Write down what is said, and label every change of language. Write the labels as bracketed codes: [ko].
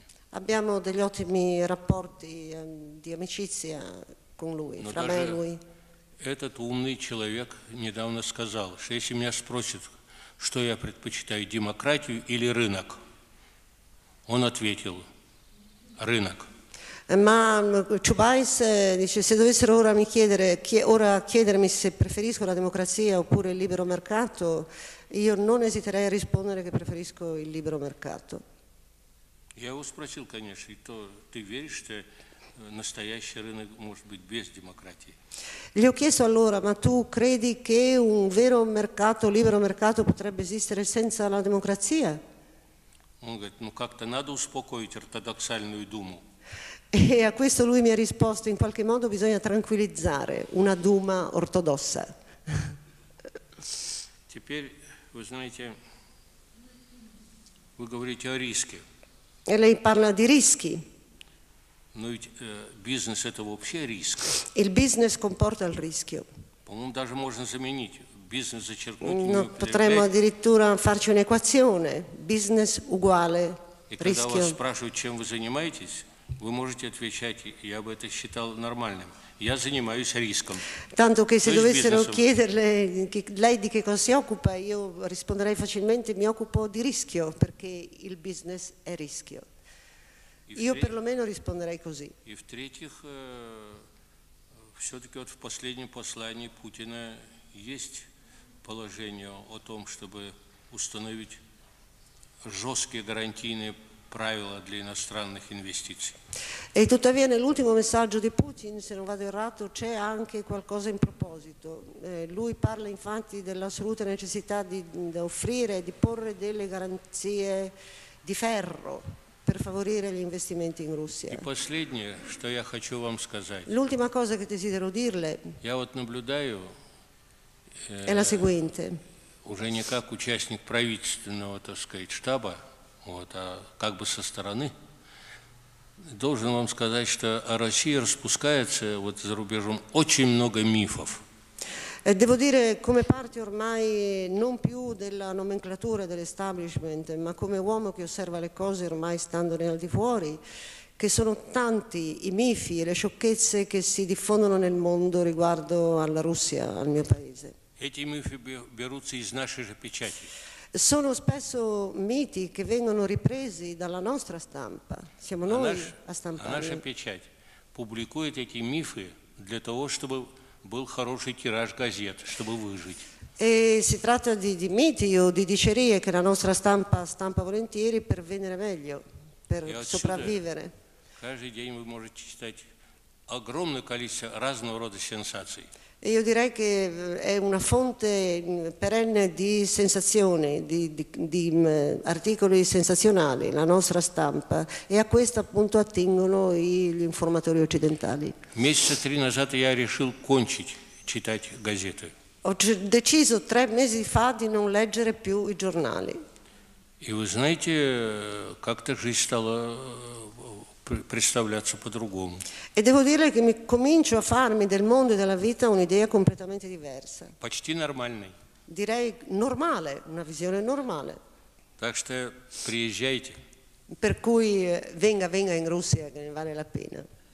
[it] Abbiamo degli ottimi rapporti di amicizia con lui, fra me e lui. [ru] Этот умный человек недавно сказал, что если меня спросят, что я предпочитаю, демократию или рынок, он ответил: рынок. [it] Ma Чубайс dice, se dovessero ora mi chiedere, ora chiedermi se preferisco la democrazia oppure il libero mercato, io non esiterei a rispondere che preferisco il libero mercato. [ru] Я его спросил, конечно, и то ты веришь, что настоящий рынок может быть без демократии? [it] Gli ho chiesto allora, ma tu credi che un vero mercato, libero mercato, potrebbe esistere senza la democrazia? [ru] Он говорит, ну как-то надо успокоить ортодоксальную думу. [it] E a questo lui mi ha risposto, in qualche modo bisogna tranquillizzare una Duma ortodossa. [ru] Теперь, вы знаете, вы говорите о риске. [it] E lei parla di rischi. [ru] Но ведь бизнес это вообще риск. [it] Il business comporta il rischio. [ru] По-моему, даже можно заменить. Бизнес зачеркнуть. [it] No, потremmo addirittura farci un'equazione. Business uguale rischio. [ru] И когда вас спрашивают, чем вы занимаетесь, вы можете отвечать, я бы это считал нормальным. Я занимаюсь риском. [it] Tanto che se dovessero chiederle lei di che cosa si occupa, io risponderei facilmente: mi occupo di rischio, perché il business è rischio. Io perlomeno risponderei così. [ru] И в-третьих, все-таки вот в последнем послании Путина есть положение о том, чтобы установить жесткие гарантийные правила для иностранных инвестиций. [it] E tuttavia nell'ultimo messaggio di Putin, se non vado errato, c'è anche qualcosa in proposito. Lui parla infatti dell'assoluta necessità di offrire, di porre delle garanzie di ferro per favorire gli investimenti in Russia. [ru] И последнее, что я хочу вам сказать. [it] L'ultima cosa che desidero dirle. [ru] Я вот наблюдаю. [it] È la seguente. [ru] Уже не как участник правительственного, так сказать, штаба. Вот, а как бы со стороны, должен вам сказать, что о России распускается вот за рубежом очень много мифов. [it] Devo dire, come parte ormai non più della nomenclatura dell'establishment, ma come uomo che osserva le cose ormai stando al di fuori, che sono tanti i mifi e le sciocchezze che si diffondono nel mondo riguardo alla Russia, al mio paese. [ru] Эти мифы берутся из нашей же печати. [it] Sono spesso miti che vengono ripresi dalla nostra stampa. Siamo noi a stampare. La nostra [ru] печать [it] pubblica questi miti [ru] для того, чтобы был хороший тираж газет, чтобы выжить. [it] E si tratta di miti o di dicerie che la nostra stampa stampa volentieri per vendere meglio, per sopravvivere. [ru] Каждый день вы можете читать огромное количество разного рода сенсаций. [it] Io direi che è una fonte perenne di sensazioni, di articoli sensazionali, la nostra stampa, e a questo appunto attingono gli informatori occidentali. [ru] Месяца три назад я решил кончить читать газеты. [it] Ho deciso 3 mesi fa di non leggere più i giornali. [ru] И вы знаете, как-то жизнь стала представляться по-другому. [it] E devo dire che mi comincio a farmi del mondo e della vita un'idea completamente diversa. [ru] Почти нормальной. [it] Direi normale, una visione normale. [ru] Так что приезжайте. [it] Per cui venga, venga in Russia, che ne vale la pena.